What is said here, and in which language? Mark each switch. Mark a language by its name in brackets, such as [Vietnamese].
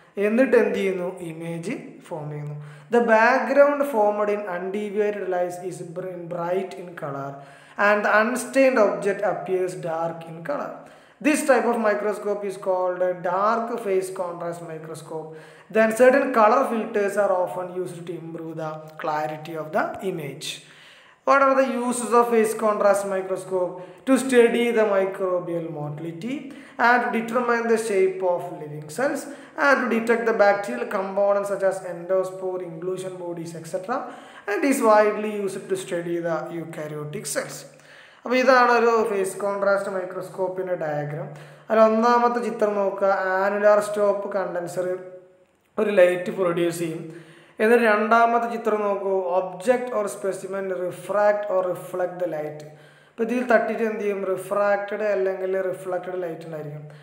[Malayalam] എന്നിട്ട് എന്ത് ചെയ്യുന്നു, ഇമേജ് ഫോം ചെയ്യുന്നു. [English] The background formed in undeviated light is bright in colour and unstained object appears dark in colour. This type of microscope is called dark phase contrast microscope. Then certain colour filters are often used to improve the clarity of the image. What are the uses of phase contrast microscope? To study the microbial motility and to determine the shape of living cells and to detect the bacterial components such as endospore, inclusion bodies, etc. And is widely used to study the eukaryotic cells. [Malayalam] അപ്പോൾ ഇതാണ് ഒരു face contrast മൈക്രോസ്കോപ്പിൻ്റെ diagram. അതിൽ ഒന്നാമത്തെ ചിത്രം നോക്കുക, annular stop condenser ഒരു light produce ചെയ്യും. എന്നിട്ട് രണ്ടാമത്തെ ചിത്രം നോക്കൂ, [English] Object or specimen refract or reflect the light. [Malayalam] അപ്പോൾ ഇതിൽ തട്ടിയിട്ട് എന്ത് ചെയ്യും, റിഫ്രാക്റ്റഡ് അല്ലെങ്കിൽ റിഫ്ലക്റ്റഡ് ലൈറ്റ് ഉണ്ടായിരിക്കും.